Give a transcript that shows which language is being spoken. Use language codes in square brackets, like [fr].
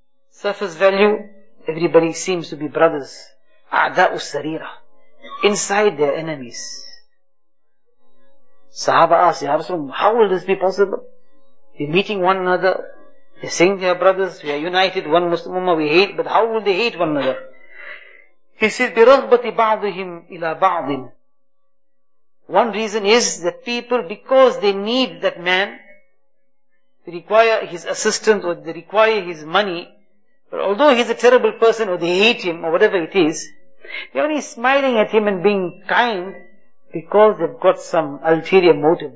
[en] Surface value, everybody seems to be brothers. A'da'u Sarira. Inside their enemies. Sahaba asked, Ya Rasulullah, how will this be possible? We're meeting one another. They're saying they are brothers. We are united. One Muslim Ummah we hate. But how will they hate one another? He says, [ar] بِرَغْبَةِ بَعْضِهِمْ إِلَىٰ بَعْضٍ. [en] One reason is that people, because they need that man, they require his assistance or they require his money, but although he's a terrible person or they hate him or whatever it is, they're only smiling at him and being kind because they've got some ulterior motive.